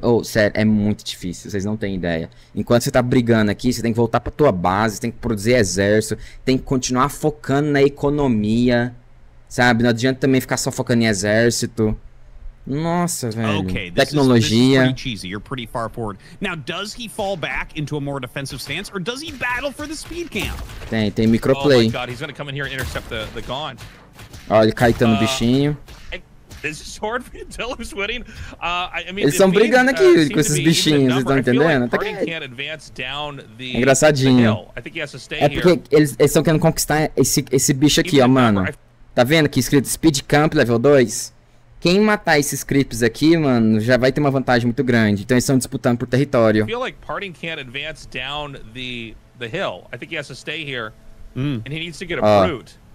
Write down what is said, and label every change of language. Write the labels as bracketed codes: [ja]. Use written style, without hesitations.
[pt] Oh, sério, é muito difícil. Vocês não têm ideia. Enquanto você tá brigando aqui, você tem que voltar pra tua base, tem que produzir exército, tem que continuar focando na economia, sabe? Não adianta também ficar só focando em exército. Nossa, velho. Okay, tecnologia. [en] Pretty cheesy. You're pretty far forward. Now, does he fall back into a more defensive stance or does he battle for the speed camp? [pt] Tem microplay. [en] Oh my god, he's gonna come in here and intercept the gaunt. [pt] Ó, ele caetando o bichinho. [en] Is this hard for you to tell who's winning? [pt] Eles estão brigando aqui com esses bichinhos, vocês estão entendendo? Até que... [en] can't advance down the... [pt] Engraçadinho. [en] I think he has to stay [pt] é porque [en] here. [pt] Eles estão querendo conquistar esse bicho aqui, ó, mano. Tá vendo aqui escrito Speed Camp Level 2? Quem matar esses creeps aqui, mano, já vai ter uma vantagem muito grande. Então eles estão disputando por território. [en] I feel like Parting can't advance down the hill. I think he has to stay here. And he needs to get approved.